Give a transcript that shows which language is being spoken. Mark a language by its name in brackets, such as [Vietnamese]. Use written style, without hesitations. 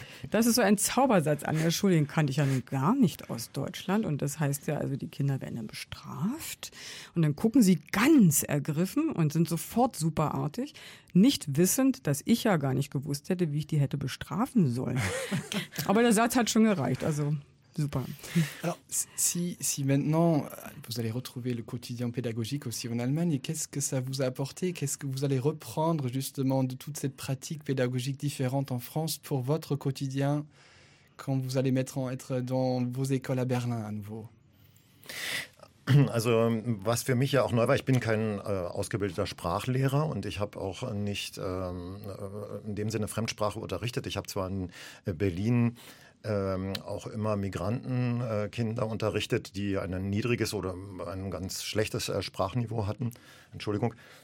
[German] Das ist so ein Zaubersatz an der Schule, den kannte ich ja nun gar nicht aus Deutschland. Und das heißt ja, also die Kinder werden dann bestraft und dann gucken sie ganz ergriffen und sind sofort superartig, nicht wissend, dass ich ja gar nicht gewusst hätte, wie ich die hätte bestrafen sollen. Aber der Satz hat schon gereicht, also super. [French] Alors, si maintenant vous allez retrouver le quotidien pédagogique aussi en Allemagne, qu'est-ce que ça vous a apporté? Qu'est-ce que vous allez reprendre justement de toute cette pratique pédagogique différente en France pour votre quotidien quand vous allez être dans vos écoles à Berlin à nouveau? [German] Also, was für mich ja auch neu war, ich bin kein ausgebildeter Sprachlehrer und ich habe auch nicht in dem Sinne Fremdsprache unterrichtet. Ich habe zwar in Berlin auch immer Migrantenkinder unterrichtet, die ein niedriges oder ein ganz schlechtes Sprachniveau hatten. Entschuldigung.